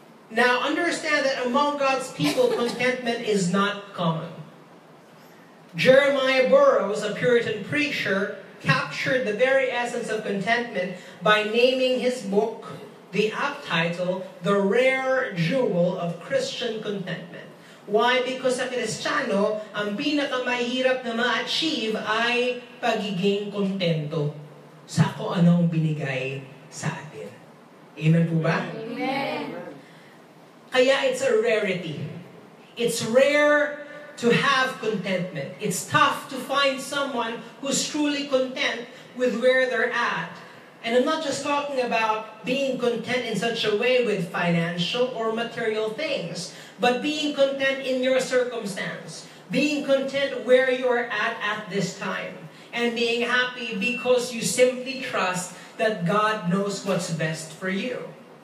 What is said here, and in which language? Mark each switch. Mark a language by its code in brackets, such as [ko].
[en] Now understand that among God's people, contentment is not common. Jeremiah Burroughs, a Puritan preacher, captured the very essence of contentment by naming his book, the apt title, The Rare Jewel of Christian Contentment. Why? [tl] Because sa Kristiyano, ang pinakamahirap na ma-achieve ay pagiging kontento sa kung anong binigay sa atin. Amen po ba? Amen. [en] Kaya it's a rarity. It's rare to have contentment. It's tough to find someone who's truly content with where they're at. And I'm not just talking about being content in such a way with financial or material things, but being content in your circumstance, being content where you're at this time, and being happy because you simply trust that God knows what's best for you.